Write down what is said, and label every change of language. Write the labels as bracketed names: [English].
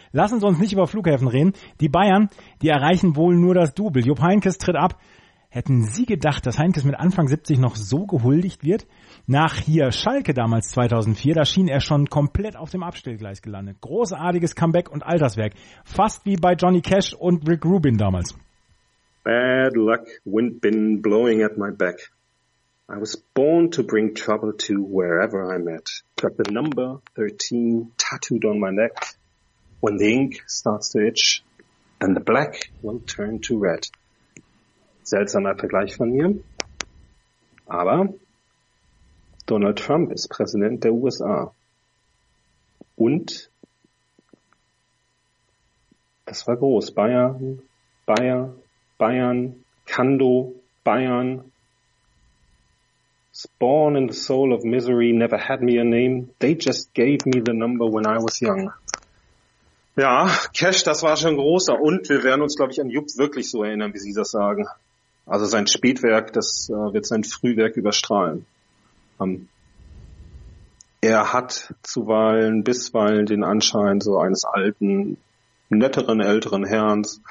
[German] Lassen Sie uns nicht über Flughäfen reden. Die Bayern, die erreichen wohl nur das Double. Jupp Heynckes tritt ab. Hätten Sie gedacht, dass Heynckes mit Anfang 70 noch so gehuldigt wird? Nach hier Schalke damals 2004, da schien er schon komplett auf dem Abstellgleis gelandet. Großartiges Comeback und Alterswerk. Fast wie bei Johnny Cash und Rick Rubin damals. [English] Bad luck, wind been blowing at my back. I was born to bring trouble to wherever I'm at. Got the number 13 tattooed on my neck. When the ink starts to itch, then the black will turn to red. [German] Seltsamer Vergleich von mir. Aber Donald Trump ist Präsident der USA. Und das war groß. Bayern, Kando, Bayern. [English] Born in the soul of misery, never had me a name. They just gave me the number when I was young. [German] Ja, Cash, das war schon großer. Und wir werden uns, glaube ich, an Jupp wirklich so erinnern, wie Sie das sagen. Also sein Spätwerk, das wird sein Frühwerk überstrahlen. Er hat zuweilen, bisweilen den Anschein so eines alten, netteren, älteren Herrn.